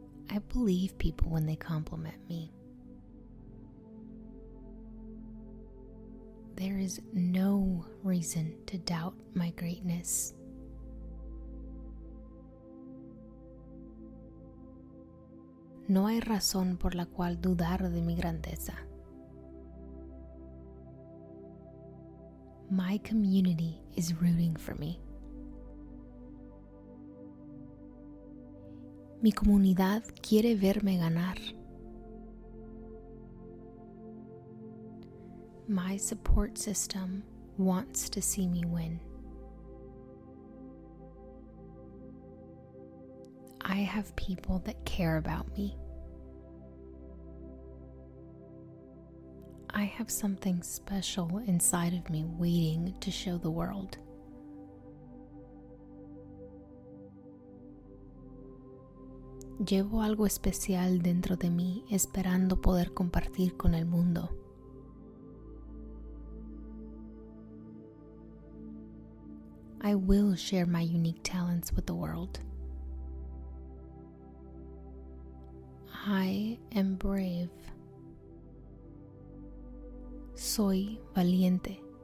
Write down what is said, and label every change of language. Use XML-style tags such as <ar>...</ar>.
<en>I believe people when they compliment me. There is no reason to doubt my greatness.</en> <es>No hay razón por la cual dudar de mi grandeza.</es> <en>My community is rooting for me.</en> <es>Mi comunidad quiere verme ganar.</es> <en>My support system wants to see me win. I have people that care about me. I have something special inside of me waiting to show the world.</en> <es>Llevo algo especial dentro de mí, esperando poder compartir con el mundo.</es> <en>I will share my unique talents with the world. I am brave.</en> <es>Soy valiente.</es>